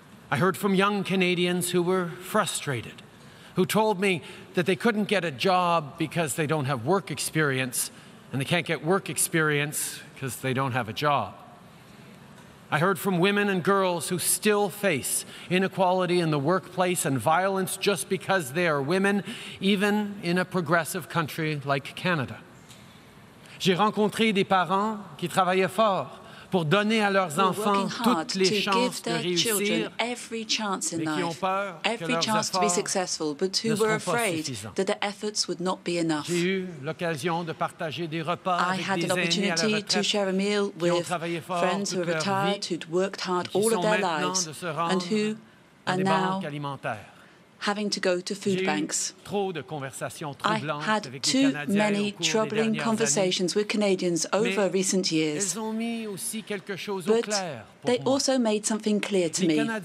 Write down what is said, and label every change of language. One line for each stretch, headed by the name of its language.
English: I heard from young Canadians who were frustrated, who told me that they couldn't get a job because they don't have work experience, and they can't get work experience because they don't have a job. I heard from women and girls who still face inequality in the workplace and violence just because they are women, even in a progressive country like Canada.
French: J'ai rencontré des parents qui travaillaient fort pour donner à leurs enfants toutes les chances de réussir,
English: every chance in life, every chance to be successful, but who were afraid that their efforts would not be enough.
French: J'ai eu l'occasion de partager des repas avec des aînés à la retraite,
English: I had an opportunity to share a meal with friends who were retired, who'd worked hard all of their lives, and who are now having to go to food banks. I had too many troubling conversations with Canadians over recent years, but they also made something clear to me.